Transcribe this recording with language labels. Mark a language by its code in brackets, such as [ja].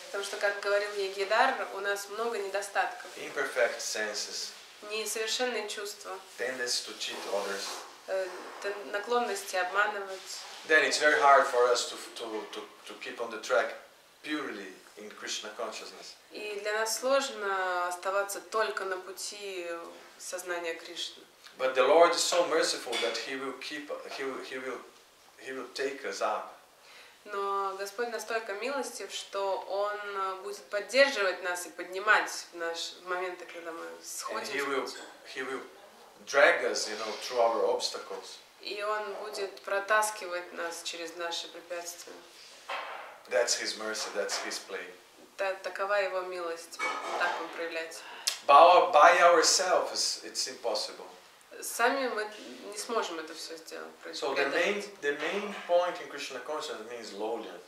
[ru] Потому что, как говорил Ягедар, у нас много недостатков. [en] Imperfect senses. [ru] Несовершенные чувства. [en] Tendency to cheat others. [ru] Наклонности обманывать. [en] Then it's very hard for us to keep on the track purely in Krishna consciousness. [ru] И для нас сложно оставаться только на пути сознания Кришны. [en] But the Lord is so merciful that he will take us up. [ru] Но Господь настолько милостив, что Он будет поддерживать нас и поднимать в моменты, когда мы сходим. [en] And he will drag us, you know, through our obstacles. [ru] И Он будет протаскивать нас через наши препятствия. [en] That's his mercy, that's his play. [ru] Такова его милость, так он проявляется. [en] By ourselves it's impossible. [ru] Сами мы не сможем это все сделать. [en] So the main point in Krishna consciousness means lowly.